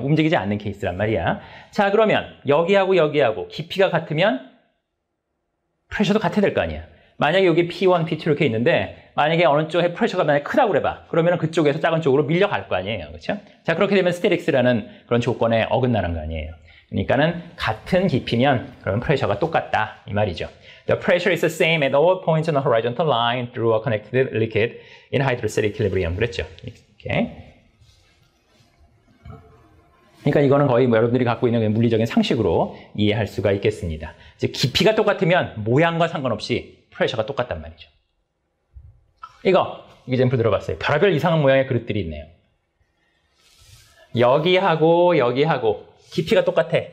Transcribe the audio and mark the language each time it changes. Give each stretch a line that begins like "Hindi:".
Korean: 움직이지 않는 케이스란 말이야. 자, 그러면 여기하고 여기하고 깊이가 같으면 프레셔도 같아야 될 거 아니야. 만약에 여기 P1, P2 이렇게 있는데 만약에 어느 쪽에 프레셔가 만약에 크다고 그래봐. 그러면 그쪽에서 작은 쪽으로 밀려갈 거 아니에요. 그렇죠? 자, 그렇게 되면 스테릭스라는 그런 조건에 어긋나는 거 아니에요. 그러니까는 같은 깊이면 그러면 프레셔가 똑같다. 이 말이죠.
English: The pressure is the same at all points on the horizontal line through a connected liquid in hydrostatic equilibrium.
Korean: 그랬죠? 이렇게. 그러니까 이거는 거의 뭐 여러분들이 갖고 있는 물리적인 상식으로 이해할 수가 있겠습니다. 이제 깊이가 똑같으면 모양과 상관없이 프레셔가 똑같단 말이죠. 이거, 예제물 들어봤어요. 별의별 이상한 모양의 그릇들이 있네요. 여기하고 여기하고 깊이가 똑같아.